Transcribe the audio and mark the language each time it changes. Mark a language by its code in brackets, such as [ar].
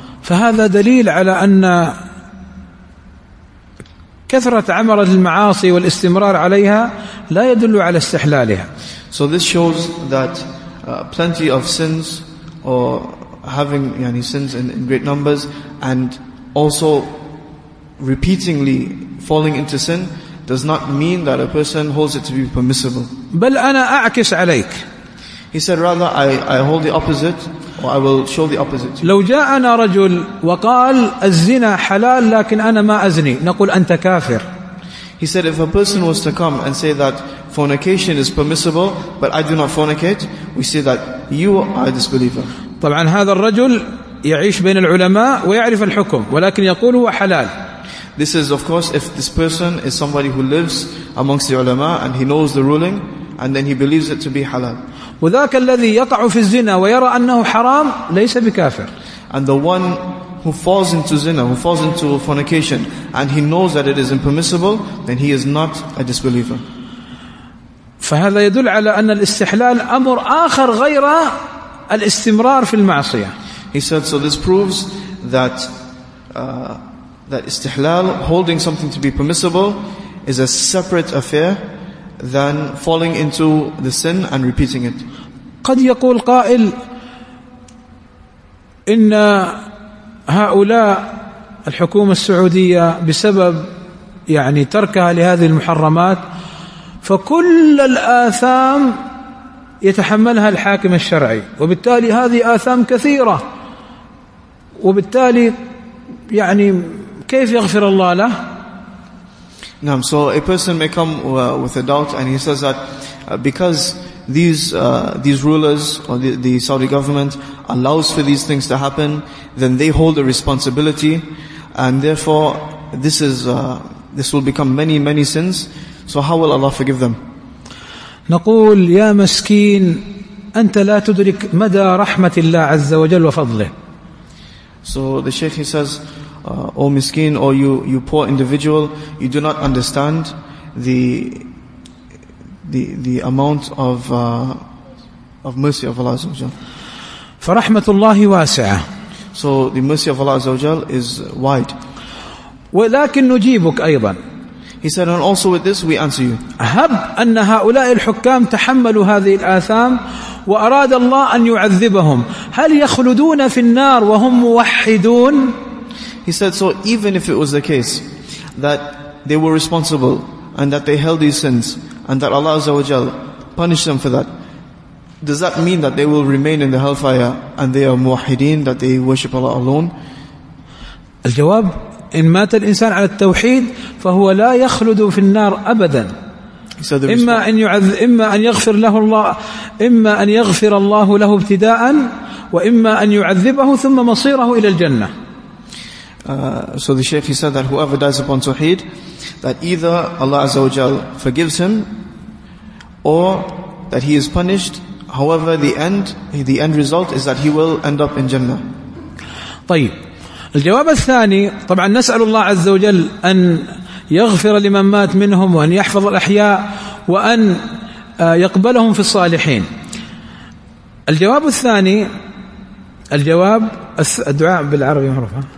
[ar] فهذا دليل على أن كثرة عمر المعاصي والاستمرار عليها لا يدل على استحلالها. [en] So this shows that plenty of sins, or having [ar] yani [en] sins in great numbers, and also repeatedly falling into sin, does not mean that a person holds it to be permissible. [ar] بل أنا أعكس عليك. [en] He said, rather, I hold the opposite, or I will show the opposite to you. [ar] لو جاءنا رجل وقال الزنا حلال لكن أنا ما أزني نقول أنت كافر. [en] He said, if a person was to come and say that fornication is permissible, but I do not fornicate, we say that you are a disbeliever. [ar] طبعا هذا الرجل يعيش بين العلماء ويعرف الحكم ولكن يقول هو حلال. [en] This is, of course, if this person is somebody who lives amongst the ulama and he knows the ruling, and then he believes it to be halal. [ar] وذاك الذي يقع في الزنا ويرى أنه حرام ليس بكافر. [en] And the one who falls into zina, who falls into fornication, and he knows that it is impermissible, then he is not a disbeliever. [ar] فهذا يدل على أن الاستحلال أمر آخر غير الاستمرار في المعصية. [en] He said, so this proves that that istihlal, holding something to be permissible, is a separate affair than falling into the sin and repeating it. [ar] قد يقول قائل إن هؤلاء الحكومة السعودية بسبب يعني تركها لهذه المحرمات فكل الآثام يتحملها الحاكم الشرعي وبالتالي هذه آثام كثيرة وبالتالي يعني كيف يغفر الله له؟ نعم. [en] So a person may come with a doubt and he says that because these rulers or the Saudi government allows for these things to happen, then they hold a responsibility, and therefore this will become many, many sins. So how will Allah forgive them? [ar] نقول يا مسكين أنت لا تدرك مدى رحمة الله عز وجل وفضله. [en] So the Shaykh, he says, O miskeen, or you poor individual, you do not understand the amount of mercy of Allah [ar] Azza wa Jal. فرحمة الله واسعة. [en] So the mercy of Allah [ar] Azza wa Jal [en] is wide. [ar] ولكن نجيبك أيضا. [en] He said, and also with this we answer you. [ar] هب أن هؤلاء الحكام تحملوا هذه الآثام وأراد الله أن يعذبهم هل يخلدون في النار وهم موحدون؟ [en] He said, so even if it was the case that they were responsible and that they held these sins and that Allah [ar] Azza wa Jal [en] punished them for that, does that mean that they will remain in the hellfire and they are muwahideen, that they worship Allah alone? [ar] الجواب إن مات الإنسان على التوحيد فهو لا يخلد في النار أبدا. [en] He said, [ar] إما أن يعذ إما أن يغفر له الله إما أن يغفر الله له ابتداء وإما أن يعذبه ثم مصيره إلى الجنة. [en] So the Shaykh, he said that whoever dies upon Tawheed, that either Allah [ar] Azza wa Jal [en] forgives him, or that he is punished. However, the end result is that he will end up in Jannah. [ar] طيب. الجواب الثاني طبعا نسأل الله عز وجل أن يغفر لمن مات منهم وأن يحفظ الأحياء وأن يقبلهم في الصالحين. الجواب الثاني الجواب الدعاء بالعربي معروفة.